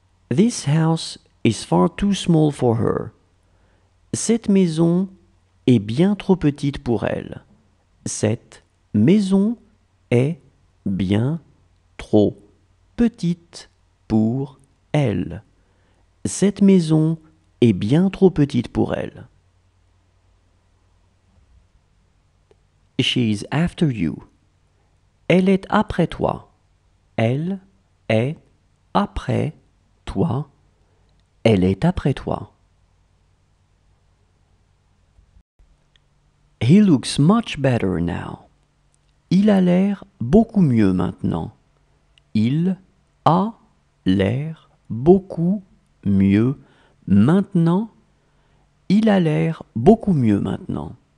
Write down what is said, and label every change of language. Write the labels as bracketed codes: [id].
[en] This house is far too small for her. [fr] Cette maison est bien trop petite pour elle. Cette maison est bien trop petite pour elle. Cette maison est bien trop petite pour elle. [en] She's after you. [fr] Elle est après toi. Elle est après toi. Elle est après toi. [en] He looks much better now. [fr] Il a l'air beaucoup mieux maintenant. Il a l'air beaucoup mieux maintenant. Il a l'air beaucoup mieux maintenant.